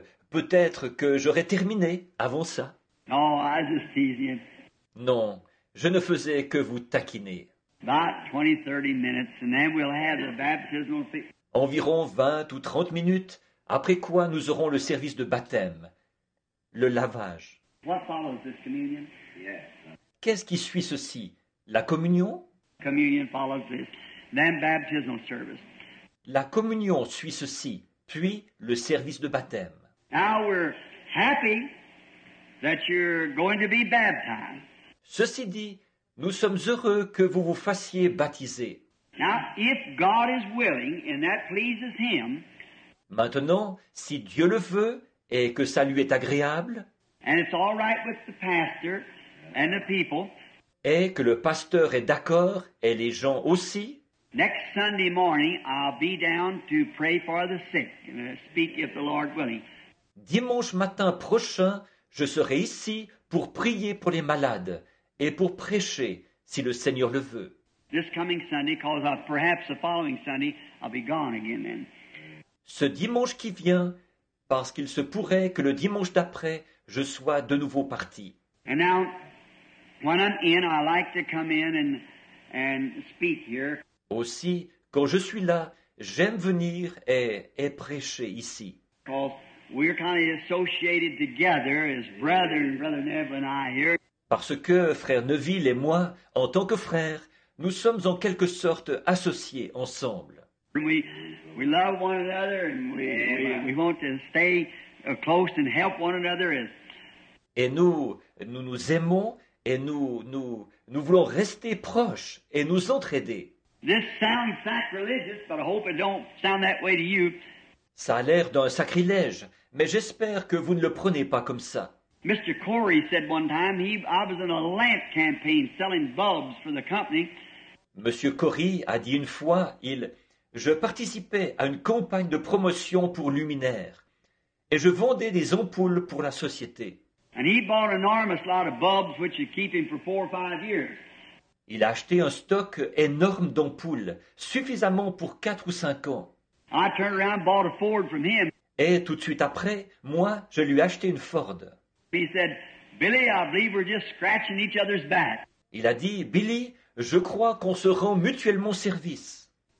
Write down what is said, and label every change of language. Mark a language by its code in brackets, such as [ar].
[fr] Peut-être que j'aurai terminé avant ça. [en] Oh, I just tease you. [fr] Non, je ne faisais que vous taquiner. [en] About 20-30 minutes, and then we'll have the baptismal feast. [fr] Environ 20 ou 30 minutes, après quoi nous aurons le service de baptême, le lavage. [en] What follows this communion? [fr] Qu'est-ce qui suit ceci? La communion? [en] Communion follows this. Then baptismal service. [fr] La communion suit ceci, puis le service de baptême. [en] Now we're happy that you're going to be baptized. [fr] Ceci dit, nous sommes heureux que vous vous fassiez baptiser. [en] Now, if God is willing and that pleases him, [fr] maintenant, si Dieu le veut et que ça lui est agréable, [en] and it's all right with the pastor and the people, [fr] et que le pasteur est d'accord et les gens aussi, [en] next Sunday morning, I'll be down to pray for the sick and speak if the Lord willing. [fr] Dimanche matin prochain, je serai ici pour prier pour les malades et pour prêcher, si le Seigneur le veut. [en] This coming Sunday, because perhaps the following Sunday, I'll be gone again then. [fr] Ce dimanche qui vient, parce qu'il se pourrait que le dimanche d'après, je sois de nouveau parti. [en] And now, when I'm in, I like to come in and speak here. [fr] Aussi, quand je suis là, j'aime venir et prêcher ici. [en] Because we're kind of associated together as Brother Neville and I here. [fr] Parce que frère Neville et moi, en tant que frères, nous sommes en quelque sorte associés ensemble. [en] We love one another and we want to stay close and help one another. [fr] Et nous nous aimons et nous voulons rester proches et nous entraider. [en] This sounds sacrilegious, but I hope it don't sound that way to you. [fr] Ça a l'air d'un sacrilège, mais j'espère que vous ne le prenez pas comme ça. [en] Mr. Corey said one time I was in a lamp campaign selling bulbs for the company. [fr] Monsieur Corey a dit une fois, je participais à une campagne de promotion pour luminaire et je vendais des ampoules pour la société. [en] And he bought an enormous lot of bulbs which would keep him for 4 or 5 years. [fr] Il a acheté un stock énorme d'ampoules, suffisamment pour 4 ou 5 ans. [en] I turned around and bought a Ford from him. [fr] Et tout de suite après, moi, je lui ai acheté une Ford. [en] He said, Billy, I believe we're just scratching each other's back. [fr] Il a dit, Billy, je crois qu'on se rend mutuellement service.